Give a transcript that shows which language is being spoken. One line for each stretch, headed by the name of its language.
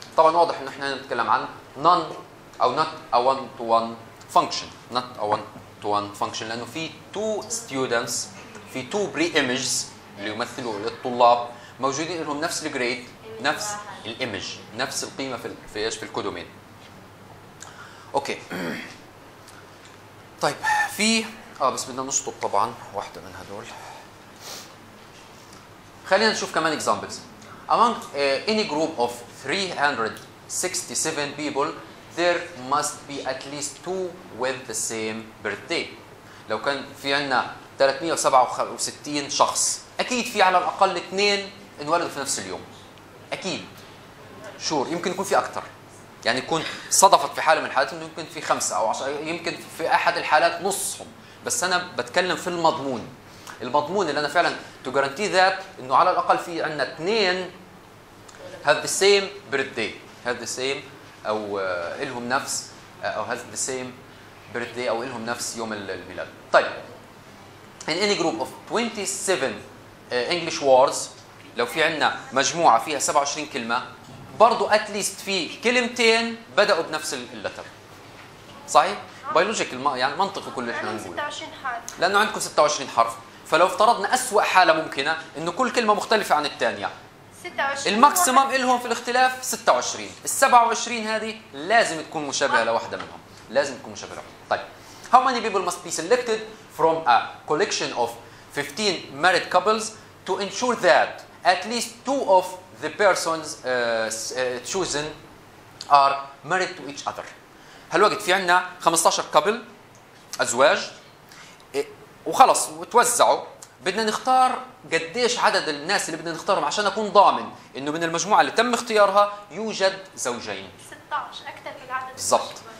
Arabic: طبعا واضح إنه إحنا نتكلم عن none أو
English: not a one to one function,
Arabic: not a one to one function, لأنه في
English: two students,
Arabic: في
English: two pre-images
Arabic: اللي يمثلوا الطلاب موجودين لهم نفس الجريد, نفس الإيمج, نفس القيمة في الكودومين. اوكي, طيب في بس بدنا نشطب طبعا واحدة من هدول. خلينا نشوف كمان examples.
English: Among any group of 367 people there must be at least two with the same birthday.
Arabic: لو كان في عنا 367 شخص اكيد في على الاقل اثنين انولدوا في نفس اليوم, اكيد, شور, يمكن يكون في اكثر, يعني يكون صدفت في حاله من الحالات انه يمكن في 5 أو 10، يمكن في احد الحالات نصهم، بس انا بتكلم في المضمون. المضمون اللي انا فعلا تو جارنتي ذات انه على الاقل في عندنا 2 هاف ذا سيم بيرث داي، هاف ذا سيم او لهم نفس، او هاف ذا سيم بيرث داي او لهم نفس يوم الميلاد. طيب
English: in any group of 27 English words،
Arabic: لو في عندنا مجموعه فيها 27 كلمه، برضو
English: at least
Arabic: في كلمتين بدأوا بنفس اللتر، صحيح؟ بيولوجيك يعني منطقي كل اللي احنا بنقوله. 26 حرف. لأنه عندكم 26 حرف، فلو افترضنا أسوأ حالة ممكنة إنه كل كلمة مختلفة عن الثانية. 26. الماكسيمم إلهم في الاختلاف 26، ال 27 هذه لازم تكون مشابهة لواحدة منهم، لازم تكون مشابهة لهم. طيب.
English: How many people must be selected from a collection of 15 married couples to ensure that at least two of the persons chosen are married to each other.
Arabic: هالوقت في عنا 15 كابل أزواج وخلص وتوزعوا، بدنا نختار قديش عدد الناس اللي بدنا نختارهم عشان أكون ضامن إنه من المجموعة اللي تم اختيارها يوجد زوجين. 16 أكثر في العدد. بالضبط.